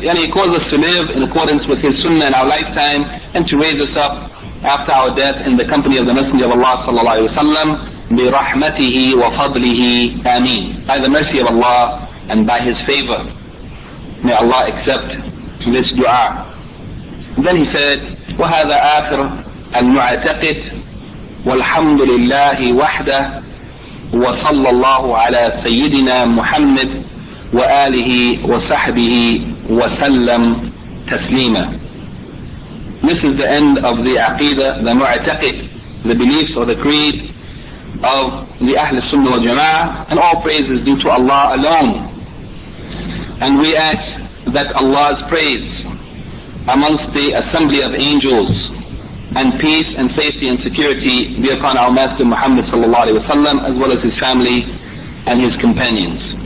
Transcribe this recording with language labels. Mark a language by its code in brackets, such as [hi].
[en] Yani He caused us to live in accordance with His Sunnah in our lifetime, and to raise us up after our death in the company of the Messenger of Allah ﷺ, [ar] bi rahmatihi wa fadlihi, [en] ameen, by the mercy of Allah and by His favor. May Allah accept this dua. Then he said, [ar] وَهَذَا آخِرَ الْمُعَتَقِدِ وَالْحَمْدُ لِلَّهِ وَحْدَهِ وصلى الله على سيدنا محمد وآله وصحبه وسلم تسليما. [en] This is the end of the aqidah, the mu'taqid, the beliefs or the creed of the Ahl al-Sunnah wal-Jama'ah, and all praise is due to Allah alone. And we ask that Allah's praise amongst the assembly of angels, and peace and safety and security be upon our Master Muhammad sallallahu alaihi wasallam, as well as his family and his companions.